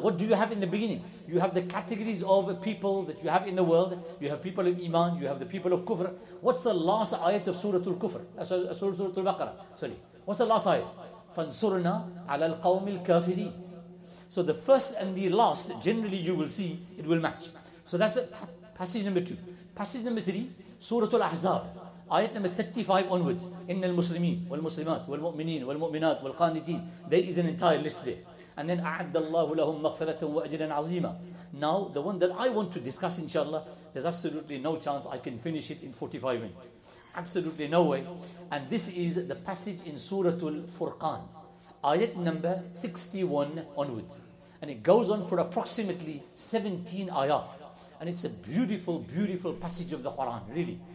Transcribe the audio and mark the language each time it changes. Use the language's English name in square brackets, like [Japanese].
[English] What do you have in the beginning? You have the categories of people that you have in the world. You have people of Iman. You have the people of Kufr. What's the last ayat of Surah Al-Kufr? Surah Al-Baqarah. Sorry. What's the last ayat? [Arabic] فَانْصُرْنَا عَلَى الْقَوْمِ الْكَافِرِينَ. [English] So the first and the last, generally you will see, it will match. So that's passage number two. Passage number three, Surah Al-Ahzab. Ayat number 35 onwards, إن المسلمين والمسلمات والمؤمنين والمؤمنات والقانتين. There is an entire list there. And then أعد الله لهم مغفرة وأجرا عظيما. Now, the one that I want to discuss, inshallah, there's absolutely no chance I can finish it in 45 minutes. Absolutely no way. And this is the passage in Surah Al-Furqan. Ayat number 61 onwards. And it goes on for approximately 17 ayat. And it's a beautiful, beautiful passage of the Quran, really.